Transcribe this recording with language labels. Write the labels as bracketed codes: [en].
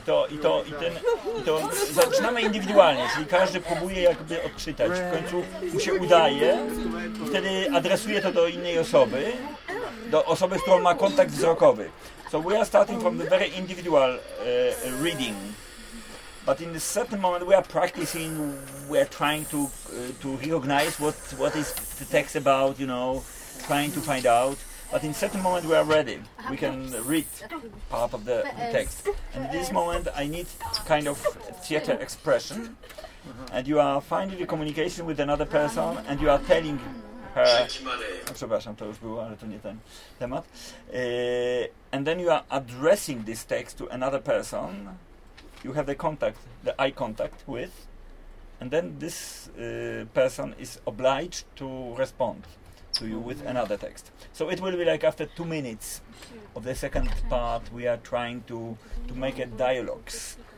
[pl] I to zaczynamy indywidualnie, czyli każdy próbuje jakby odczytać, w końcu mu się udaje i wtedy adresuje to do innej osoby, do osoby, z którą ma kontakt wzrokowy. [en] So we are starting from the very individual reading, but in a certain moment we are practicing, we are trying to recognize what is the text about, you know, trying to find out. But in a certain moment we are ready. We can read part of the text. And at this moment I need kind of theater expression. And you are finding the communication with another person and you are telling her... [pl] Przepraszam, to już było, ale to nie ten temat. [en] And then you are addressing this text to another person. You have the contact, the eye contact with. And then this person is obliged to respond to you with another text. So it will be like after 2 minutes of the second part, we are trying to make a dialogues.